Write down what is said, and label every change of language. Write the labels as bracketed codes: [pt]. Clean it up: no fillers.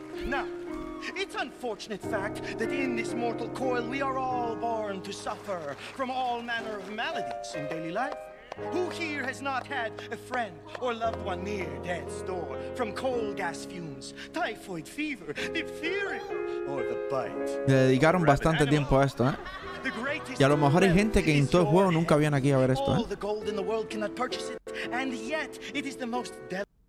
[en] Now, it's unfortunate fact that in this mortal coil we are all born to suffer from all manner of maladies in daily life. Who here has not had a friend or loved one near death's door from coal gas fumes, typhoid fever, diphtheria, or the bite? [es] Le dedicaron bastante tiempo a esto, ¿eh? Y a lo mejor hay gente que en todo el juego nunca vienen aquí a ver esto, ¿eh? [en] All the gold in the world cannot purchase it, and yet it is the most deadly.